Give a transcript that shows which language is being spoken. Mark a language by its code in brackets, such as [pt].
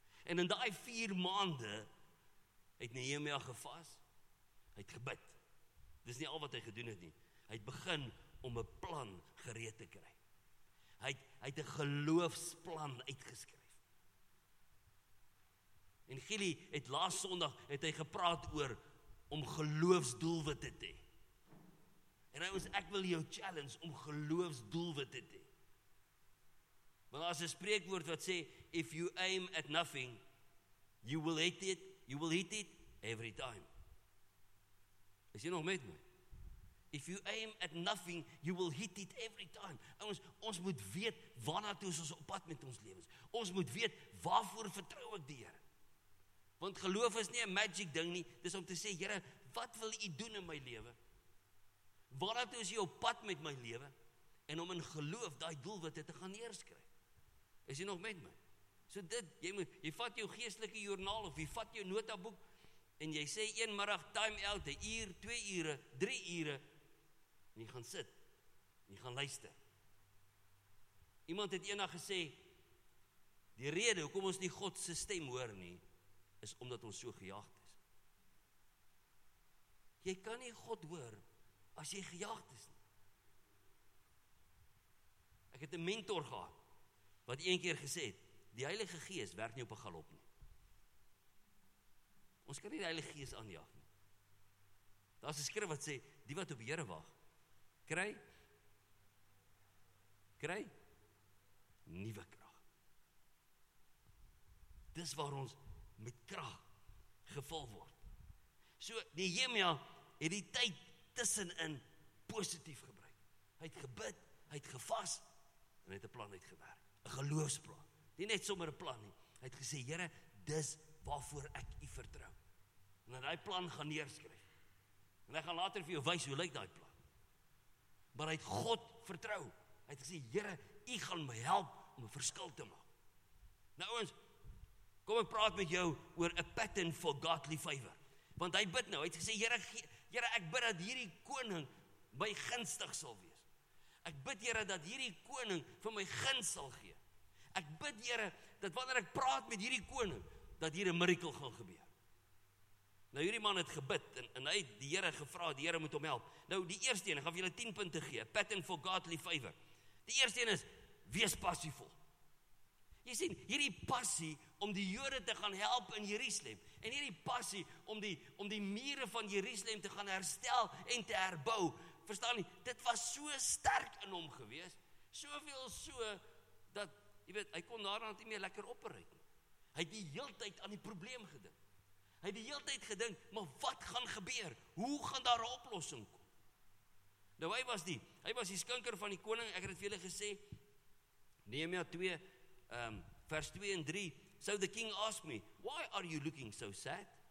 [af] En in daai 4 maande het Nehemia gevas. Hy het gebid. Dis nie al wat hy gedoen het nie. Hy het begin om 'n plan gereed te kry. Hy het 'n geloofsplan uitgeskryf. En Gilie het laas Sondag het hy gepraat oor om geloofsdoelwitte te hê. En hy was ek wil jou challenge om geloofsdoelwitte te hê. Want daar is 'n spreekwoord wat sê, [en] if you aim at nothing, you will hit it every time. [af] Is jy nog met my? [en] If you aim at nothing, you will hit it every time. [af] Ons moet weet waarna toe ons op pad met ons lewens. Ons moet weet waarvoor vertrou ek die Here. Want geloof is nie 'n magic ding nie, dis om te sê, Here, wat wil u doen in my lewe? Waarna toe is u op pad met my lewe? En om in geloof daai doelwitte te gaan neerskryf. Is jy nog met my? So dit, jy vat jou geestelike joernaal of jy vat jou notaboek en jy sê een middag time out, 'n uur, 2 ure, 3 ure en jy gaan sit en jy gaan luister. Iemand het eendag gesê, die rede hoekom ons nie God se stem hoor nie, is omdat ons so gejaagd is. Jy kan nie God hoor as jy gejaagd is nie. Ek het 'n mentor gehad wat een keer gesê het, die Heilige Gees werk nie op 'n galop nie. Ons kan nie die Heilige Gees aanjaag nie. Daar is 'n skrif wat sê, die wat op die Here wag, kry nuwe krag. Dis waar ons met krag gevul word. So Nehemia het die tyd tussenin positief gebruik. Hy het gebid, hy het gevas en hy het 'n plan uitgewerk, 'n geloofsplan. Nie net sommer 'n plan nie. Hy het gesê, Here, dis waarvoor ek u vertrou. En hy plan gaan neerskryf. En hy gaan later vir jou wys hoe lyk daai plan. Maar hy het God vertrou. Hy het gesê, Here, u gaan my help om 'n verskil te maak. Nou ouens, kom ek praat met jou oor [en] a pattern for godly favor. [af] Want hy bid nou, hy het gesê, Here, ek bid dat hierdie koning my gunstig sal wees. Ek bid, Here, dat hierdie koning vir my guns sal gee. Ek bid, Here, dat wanneer ek praat met hierdie koning, dat hier 'n miracle gaan gebeur. Nou hierdie man het gebid en hy het die Here gevra, die Here moet hom help. Nou die eerste een, ek gaan vir julle 10 punte gee, [en] pattern for godly favor. [af] Die eerste een is wees passievol. Jy sien, hierdie passie om die Jode te gaan help in Jerusalem en hierdie passie om die mure van Jerusalem te gaan herstel en te herbou. Verstaan jy? Dit was so sterk in hom gewees, soveel so dat jy weet, hy kon daarna nie meer lekker opry. Hy het die hele tyd aan die probleem gedink. Hy het die hele tyd gedink, maar wat gaan gebeur? Hoe gaan daar 'n oplossing kom? Nou hy was die skinker van die koning. Ek het dit vir julle gesê. Nehemia 2 vers 2 en 3. [en] So the king asked me, "Why are you looking so sad?